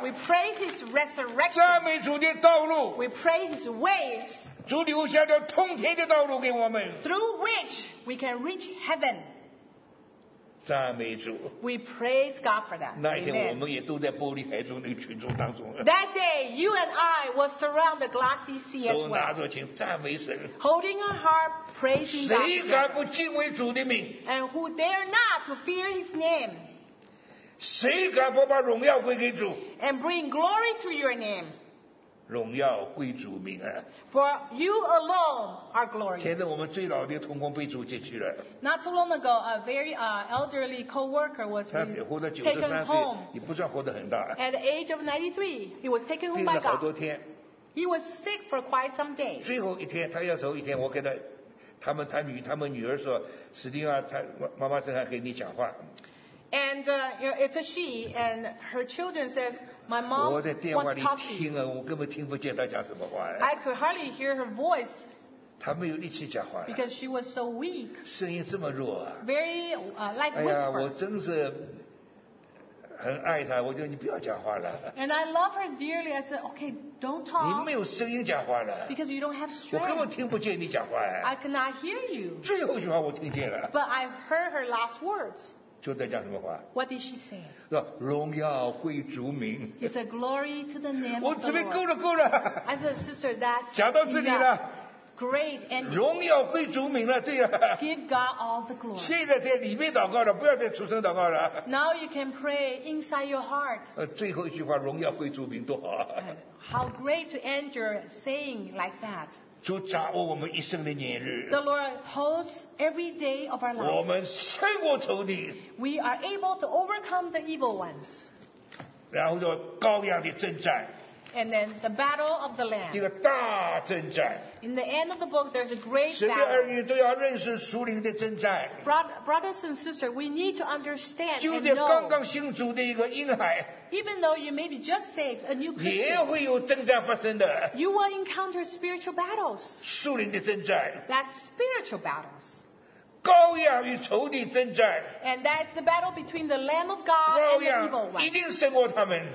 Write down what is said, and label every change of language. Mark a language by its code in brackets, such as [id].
[en] We praise His resurrection. [zh] 赞美主的道路。 [en] We praise His ways. [zh] 主留下的通天的道路给我们。 [en] Through which we can reach heaven. [zh] 赞美主。 [en] We praise God for that. [zh] 那天我们也都在玻璃海中那个群众当中。 [en] That day, you and I were surrounded the glassy sea as well. [zh] 手拿着琴赞美神。 [en] Holding a harp, praising God. [zh] 谁敢不敬畏主的名？ [en] And who dare not to fear His name? [zh] 谁敢不把荣耀归给主？ [en] And bring glory to Your name. [zh] 荣耀归主名啊。 [en] For You alone are glorious. [zh] 前阵我们最老的同工被主接去了。 [en] Not too long ago, a very elderly co-worker was taken home. [zh] 他活到93岁，也不算活得很大。 [en] At the age of 93, he was taken home by God. [zh] 病了好多天。 [en] He was sick for quite some days. [zh] 最后一天，他要走一天，我给他。他们女儿说，史蒂啊，他妈妈正在跟你讲话。 [en] And you know, it's a she, and her children says, my mom wants to talk to you. [zh] 我在电话里听啊，我根本听不见她讲什么话。 [en] I could hardly hear her voice. [zh] 她没有力气讲话。 [en] Because she was so weak. [zh] 声音这么弱啊。 [en] Very like whisper. [zh] 哎呀，我真是很爱她，我叫你不要讲话了。 [en] And I love her dearly. I said, okay. Don't talk. [zh] 你没有声音讲话了。 [en] Because you don't have strength. [zh] 我根本听不见你讲话呀。 [en] I cannot hear you. [zh] 最后一句话我听见了。 [en] But I heard her last words. [zh] 就在讲什么话？ [en] What did she say? [zh] 说荣耀归主名。 [en] He said glory to the name of the [zh] Lord. 我这边够了够了。 [en] I said sister, that's enough. [zh] 讲到这里了。 [en] Great and [zh] 荣耀归主名了，对呀。 [en] Give God all the glory. [zh] 现在在里面祷告了，不要再出声祷告了。 [en] Now you can pray inside your heart. [zh] 最后一句话，荣耀归主名，多好。 [en] How great to end your saying like that. [zh] 主掌握我们一生的年日。 [en] The Lord holds every day of our life. [zh] 我们胜过仇敌。 [en] We are able to overcome the evil ones. [zh] 然后说羔羊的征战。 [en] And then the battle of the Lamb. [zh] 一个大征战。 [en] In the end of the book, there's a great battle. [zh] 神的儿女都要认识属灵的征战。 [en] Brothers and sisters, we need to understand. [zh] 就在刚刚信主的一个婴孩。 [en] Even though you may be just saved, a new Christian. [zh] 也会有征战发生的。 [en] You will encounter spiritual battles. [zh] 属灵的征战。 [en] That's spiritual battles. [zh] 羔羊与仇敌征战 [en] and that's the battle between the Lamb of God and the evil one. [zh] 羔羊一定胜过他们